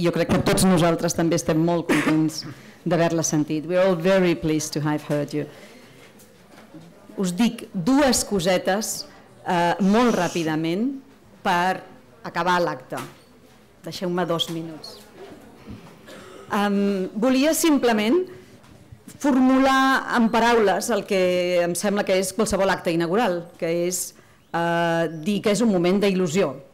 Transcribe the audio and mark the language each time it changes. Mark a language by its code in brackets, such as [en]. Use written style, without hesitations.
[ca] Jo crec que tots nosaltres també estem molt contents d'haver-la sentit. [en] We're all very pleased to have heard you. [ca] Us dic dues cosetes molt ràpidament per acabar l'acte. Deixeu-me dos minuts. Volia simplement formular en paraules el que em sembla que és qualsevol acte inaugural, que és dir que és un moment d'il·lusió.